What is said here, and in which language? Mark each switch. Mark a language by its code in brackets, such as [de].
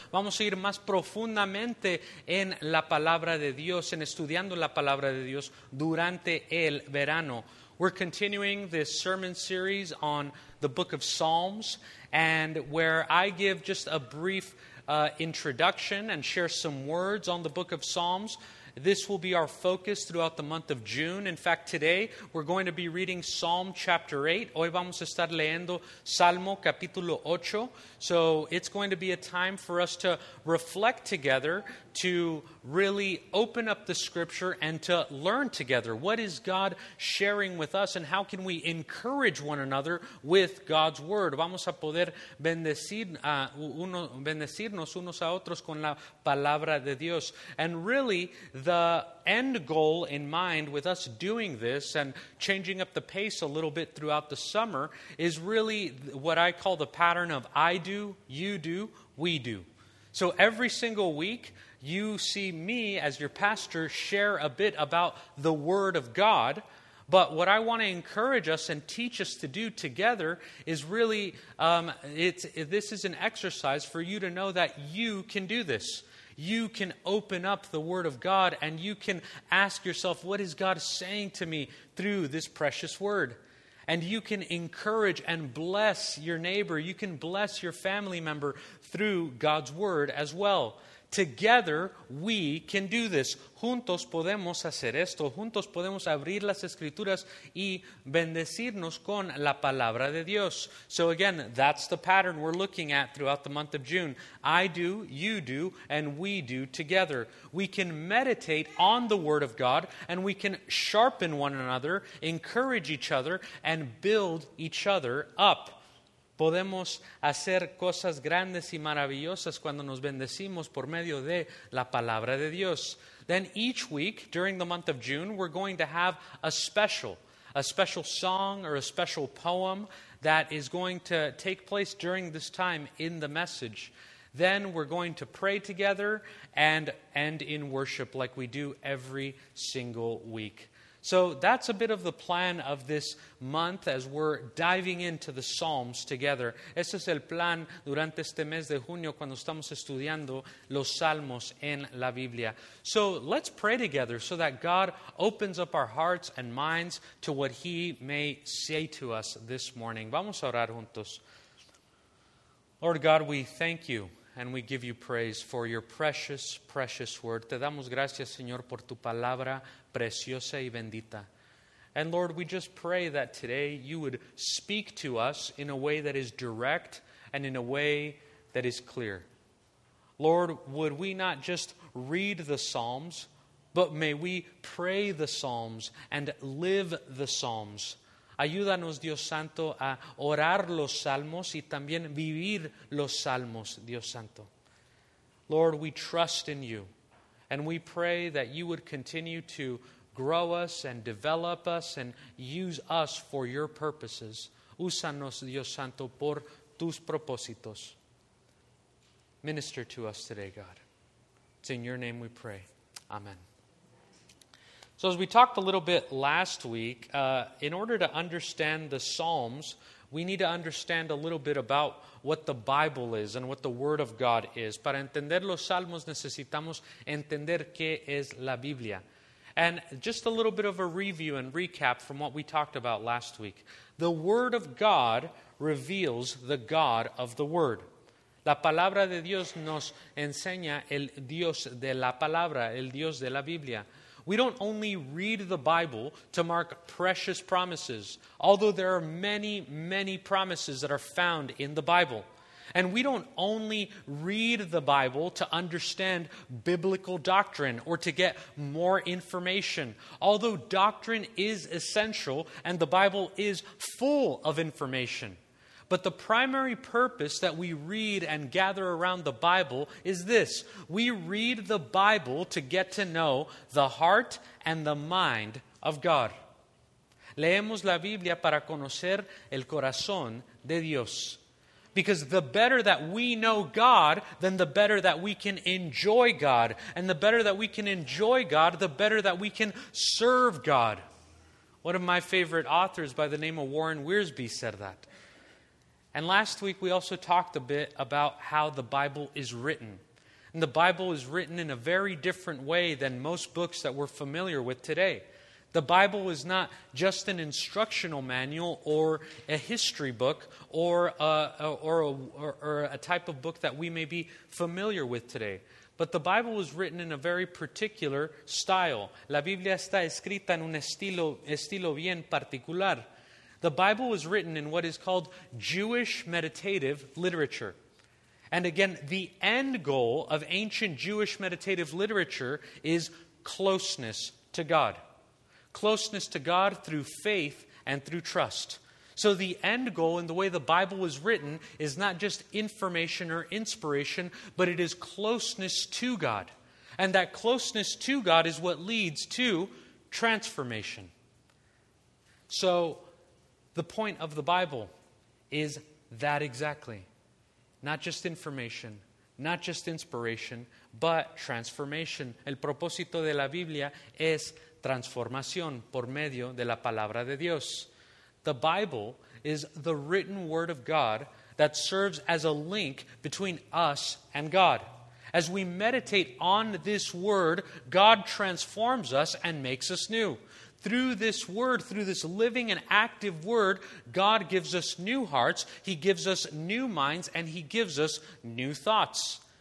[es] Vamos a ir más profundamente en la Palabra de Dios, en estudiando la Palabra de Dios durante el verano. [en] We're continuing this sermon series on the book of Psalms, and where I give just a brief introduction and share some words on the book of Psalms. This will be our focus throughout the month of June. In fact, today we're going to be reading Psalm chapter 8. [es] Hoy vamos a estar leyendo Salmo capítulo 8. [en] So it's going to be a time for us to reflect together, to really open up the scripture and to learn together. What is God sharing with us and how can we encourage one another with God's word? [es] Vamos a poder bendecirnos unos a otros con la palabra de Dios. [en] And really, the end goal in mind with us doing this and changing up the pace a little bit throughout the summer is really what I call the pattern of I do, you do, we do. So every single week, you see me as your pastor share a bit about the Word of God. But what I want to encourage us and teach us to do together is really, this is an exercise for you to know that you can do this. You can open up the Word of God and you can ask yourself, what is God saying to me through this precious Word? And you can encourage and bless your neighbor. You can bless your family member through God's Word as well. Together, we can do this. [es] Juntos podemos hacer esto. Juntos podemos abrir las Escrituras y bendecirnos con la Palabra de Dios. [en] So again, that's the pattern we're looking at throughout the month of June. I do, you do, and we do together. We can meditate on the Word of God, and we can sharpen one another, encourage each other, and build each other up. [es] Podemos hacer cosas grandes y maravillosas cuando nos bendecimos por medio de la Palabra de Dios. [en] Then each week, during the month of June, we're going to have a special song or a special poem that is going to take place during this time in the message. Then we're going to pray together and end in worship like we do every single week. So that's a bit of the plan of this month as we're diving into the Psalms together. [es] Ese es el plan durante este mes de junio cuando estamos estudiando los Salmos en la Biblia. [en] So let's pray together so that God opens up our hearts and minds to what He may say to us this morning. [es] Vamos a orar juntos. [en] Lord God, we thank You and we give You praise for Your precious, precious Word. [es] Te damos gracias, Señor, por Tu Palabra preciosa y bendita. [en] And Lord, we just pray that today You would speak to us in a way that is direct and in a way that is clear. Lord, would we not just read the Psalms, but may we pray the Psalms and live the Psalms. [es] Ayúdanos, Dios Santo, a orar los Salmos y también vivir los Salmos, Dios Santo. [en] Lord, we trust in You. And we pray that You would continue to grow us and develop us and use us for Your purposes. [es] Úsanos, Dios Santo, por tus propósitos. [en] Minister to us today, God. It's in Your name we pray. Amen. So as we talked a little bit last week, in order to understand the Psalms, we need to understand a little bit about what the Bible is and what the Word of God is. [es] Para entender los Salmos, necesitamos entender qué es la Biblia. [en] And just a little bit of a review and recap from what we talked about last week. The Word of God reveals the God of the Word. [es] La Palabra de Dios nos enseña el Dios de la Palabra, el Dios de la Biblia. [en] We don't only read the Bible to mark precious promises, although there are many, many promises that are found in the Bible. And we don't only read the Bible to understand biblical doctrine or to get more information. Although doctrine is essential and the Bible is full of information. But the primary purpose that we read and gather around the Bible is this. We read the Bible to get to know the heart and the mind of God. [es] Leemos la Biblia para conocer el corazón de Dios. [en] Because the better that we know God, then the better that we can enjoy God. And the better that we can enjoy God, the better that we can serve God. One of my favorite authors by the name of Warren Wiersbe said that. And last week we also talked a bit about how the Bible is written. And the Bible is written in a very different way than most books that we're familiar with today. The Bible is not just an instructional manual or a history book or a type of book that we may be familiar with today. But the Bible was written in a very particular style. [es] La Biblia está escrita en un estilo bien particular. [en] The Bible was written in what is called Jewish meditative literature. And again, the end goal of ancient Jewish meditative literature is closeness to God. Closeness to God through faith and through trust. So the end goal in the way the Bible was written is not just information or inspiration, but it is closeness to God. And that closeness to God is what leads to transformation. So the point of the Bible is that exactly. Not just information, not just inspiration, but transformation. [es] El propósito de la Biblia es transformación por medio de la palabra de Dios. [en] The Bible is the written word of God that serves as a link between us and God. As we meditate on this word, God transforms us and makes us new. Through this word, through this living and active word, God gives us new hearts, He gives us new minds, and He gives us new thoughts.